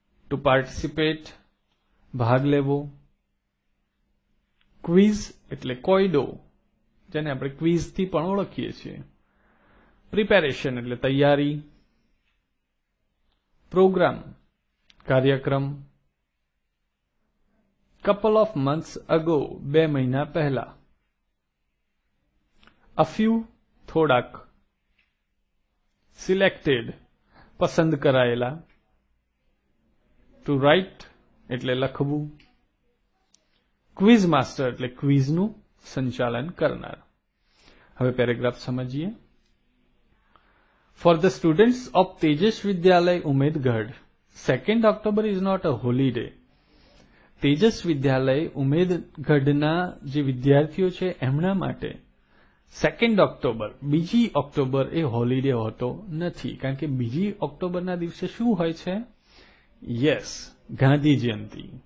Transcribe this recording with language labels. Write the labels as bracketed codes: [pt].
[en] to participate, [gu] ભાગ લેવો, quiz, એટલે કોઈડો, જેને આપણે quiz થી પણ ઓળખીએ છીએ, preparation, એટલે તૈયારી, program, કાર્યક્રમ, [en] couple of months ago, [gu] 2 મહિના પહેલા. [en] A few, થોડાક. [gu] Selected, પસંદ કરાયેલા. [en] To write, [gu] એટલે લખવું. Quiz master, એટલે quizનું સંચાલન કરનાર. હવે પેરેગ્રાફ સમજીએ. [en] For the students of Tejas Vidyalay, Umedgarh, 2nd October is not a holiday. [gu] Tejas વિદ્યાલય ઉમેદગઢના જે વિદ્યાર્થીઓ છે એમના માટે 2 ઓક્ટોબર એ હોલીડે હોતો નથી. કારણ કે 2 ઓક્ટોબરના દિવસે શું હોય છે? યસ, ગાંધી જયંતિ.